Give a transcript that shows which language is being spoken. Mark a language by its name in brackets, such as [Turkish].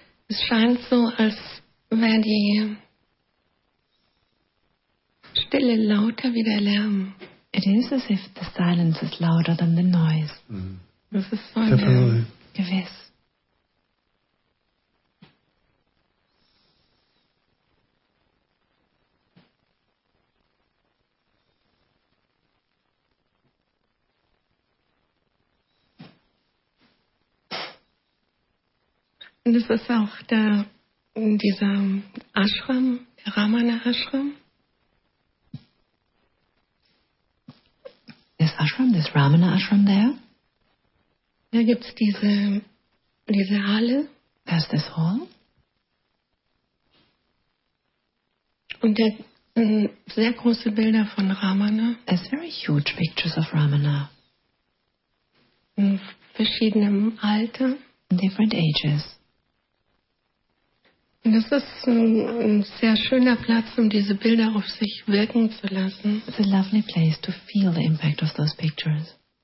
[German] Es scheint so, als wäre die Stille lauter wie der Lärm. [English] It is as if the silence is louder than the noise. [German] Das ist so ein Lärm. Gewiss. Und es ist auch der, dieser Ashram, der Ramana Ashram. [English] This ashram, this Ramana ashram there. [German] Da gibt's diese Halle. [English] There's this hall. [German] Und der sehr große Bilder von Ramana. [English] There's very huge pictures of Ramana. [German] In verschiedenem Alter. [English] In different ages. [German] Und das ist ein sehr schöner Platz, um diese Bilder auf sich wirken zu lassen. [English] It's a lovely place to feel the impact of those pictures.